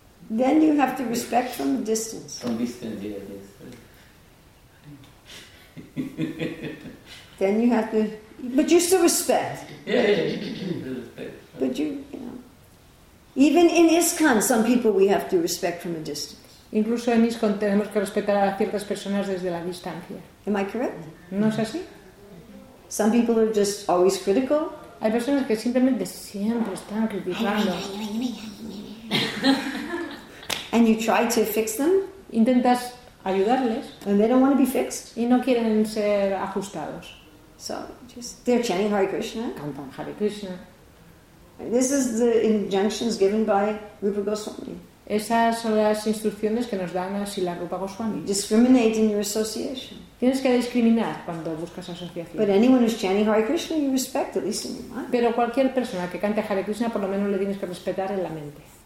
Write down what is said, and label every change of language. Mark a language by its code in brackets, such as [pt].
[en] Then you have to respect from a distance. From distance, yes. Yes. Then you have to, but you still respect. Yeah. But you, even in ISKCON, some people we have to respect from a distance. [es] Incluso en ISKCON tenemos que respetar a ciertas personas desde la distancia. [en] Am I correct? [es] ¿No es así? [en] Some people are just always critical. [es] Hay personas que simplemente siempre están criticando. [en] And you try to fix them. [es] Intentas ayudarles. [en] And they don't want to be fixed. [es] Y no quieren ser ajustados. [en] So just they're chanting Hare Krishna. [es] Cantan Hare Krishna. [en] This is the injunctions given by Rupa Goswami. [es] Esas son las instrucciones que nos dan a Srila Rupa Goswami. [en] Discriminate in your association. [es] Tienes que discriminar cuando buscas asociación. [en] But anyone who's chanting Hare Krishna, you respect at least in your mind. [es] Pero cualquier persona que cante Hare Krishna, por lo menos le tienes que respetar en la mente.